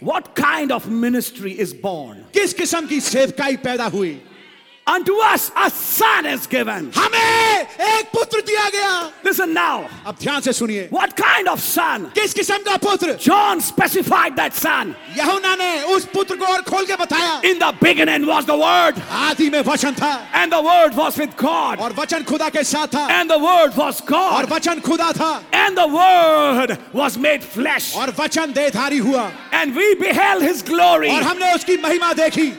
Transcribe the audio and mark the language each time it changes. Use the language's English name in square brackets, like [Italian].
[English] What kind of ministry is born? [Hindi] किस किस्म की सेवकाई पैदा हुई? [English] Unto us a son is given. [Hindi] हमें एक पुत्र दिया गया. [English] Listen now. [Hindi] अब ध्यान से सुनिए. [English] What kind of son? [Hindi] किस किस्म का पुत्र? [English] John specified that son. [Hindi] यूहन्ना ने उस पुत्र को और खोल के बताया. [English] In the beginning was the Word. [Hindi] आदि में वचन था. [English] And the Word was with God. [Hindi] और वचन खुदा के साथ था. [English] And the Word was God. [Hindi] और वचन खुदा था. [English] And the Word was made flesh. [Hindi] और वचन देहधारी हुआ. [English] And we beheld his glory. [Hindi] और हमने उसकी महिमा देखी.